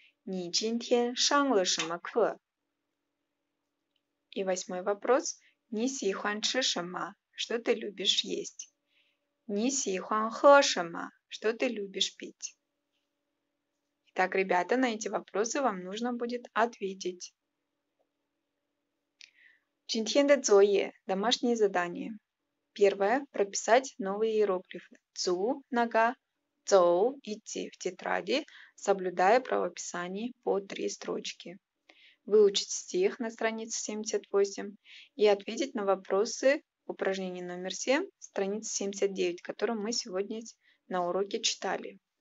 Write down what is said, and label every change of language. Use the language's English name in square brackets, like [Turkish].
[Chinese] 你今天上了什么课? [Russian] И восьмой вопрос. [Chinese] 你喜欢吃什么? [Russian] Что ты любишь есть? [Chinese] 你喜欢喝什么? [Russian] Что ты любишь пить? Итак, ребята, на эти вопросы вам нужно будет ответить. [Chinese] 今天的作业– [Russian] домашнее задание. Первое – прописать новые иероглифы. 足– нога, 走 – идти в тетради, соблюдая правописание по три строчки. Выучить стих на странице 78 и ответить на вопросы упражнение номер 7, страница 79, которую мы сегодня на уроке читали.